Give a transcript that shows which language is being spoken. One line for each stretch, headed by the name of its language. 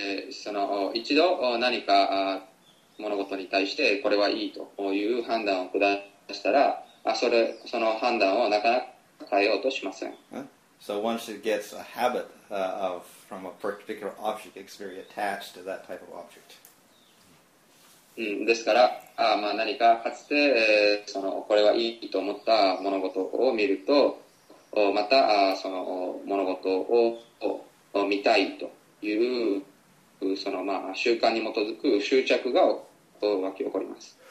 Japanese: その一度何か物事に対してこれはいいという判断を下したら、その判断をなかなか変えようとしません。
English: So once it gets a habit of from a particular object, it's very attached to that type of object.
Japanese: ですから、まあ、何かかつて、これはいいと思った物事を見ると、また、その物事を見たいという、その、まあ、習慣に基づく執着が湧き起こります。